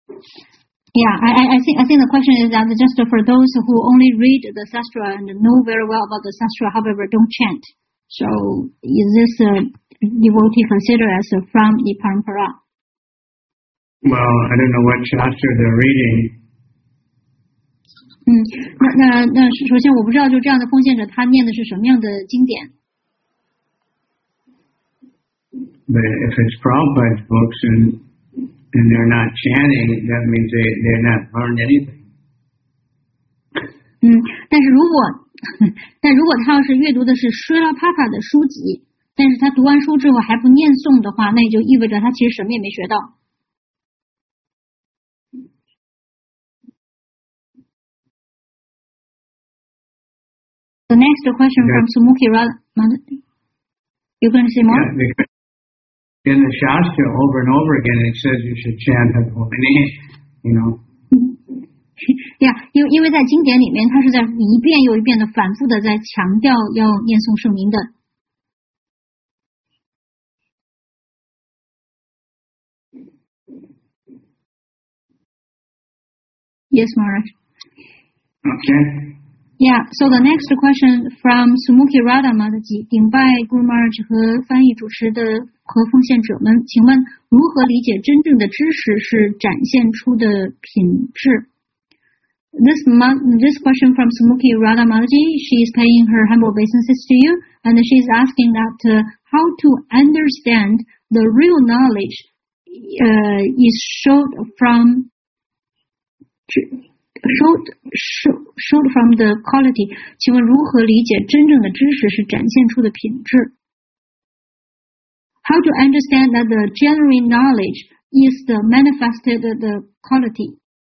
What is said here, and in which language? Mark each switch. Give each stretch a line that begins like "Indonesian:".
English: Yeah, I think the question is that just for those who only read the sastra and know very well about the sastra, however, don't chant. So is this a devotee considered as from the parampara? Well, I don't know what sastra they're reading.
Chinese: 那首先我不知道就这样的奉献者他念的是什么样的经典。
English: But if it's Prabhupada's books andand they're not chanting, that means they're not learned anything.
Chinese: 但如果他要是阅读的是 Srila Prabhupada 的书籍，但是他读完书之后还不念诵的话，那也就意味着他其实什么也没学到。
English: The next question from Sumukhi Radha. You can say more? In the Shastra, over and over again, it says you should chant the holy name, you know.
Chinese: Yeah, 因为在经典里面，它是在一遍又一遍的反复的在强调要念诵圣名的。
English: Yes, Maharaj. Okay. Yeah, so the next question from Sumukhi Radha Madhaji,
Chinese: 顶拜 Guru Maharaj 和翻译主持的和奉献者们，请问如何理解真正的知识是展现出的品质？
English: This question from Sumukhi Radha Maharaj. She is paying her humble obeisances to you, and she is asking that how to understand the real knowledge is showed from the quality.
Chinese: 请问如何理解真正的知识是展现出的品质？
English: How to understand that the genuine knowledge is the manifested the quality?